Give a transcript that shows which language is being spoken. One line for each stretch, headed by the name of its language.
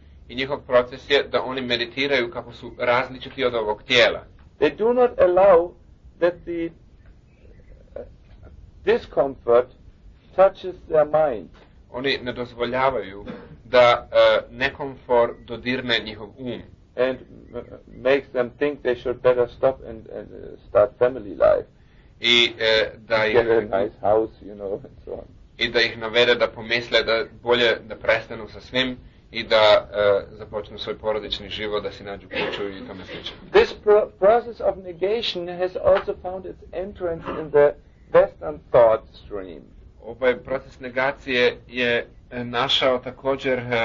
Croatian: I njihov proces je da oni meditiraju kako su različiti od ovog tijela.
English: They do not allow that the discomfort touches their mind.
Croatian: Oni ne dozvoljavaju da nekomfor dodirne njihov um.
English: And makes them think they should better stop and start family life.
Croatian: I da
English: get
Croatian: ih
English: get a nice house, you know, and so on.
Croatian: I da ih navede da pomisle da bolje da prestanu sa svim i da započnu svoj porodični život, da si nađu kuću i tome slično.
English: This process of negation has also found its entrance in the Western thought stream.
Croatian: Ovaj proces negacije je našao također